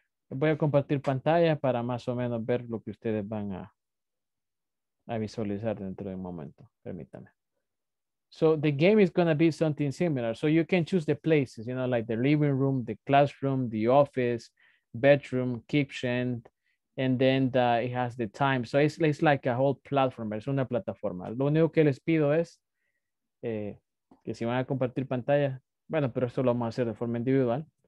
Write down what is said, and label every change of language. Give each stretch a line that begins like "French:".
Spanish: Voy a compartir pantalla para más o menos ver lo que ustedes van a visualizar dentro de un momento. Permítanme.
English: So the game is going to be something similar. So you can choose the places, you know, like the living room, the classroom, the office, bedroom, kitchen, and then the, it has the time. So it's like a whole platform.
Spanish: Es una plataforma. Lo único que les pido es que si van a compartir pantalla, bueno, pero esto lo vamos a hacer de forma individual.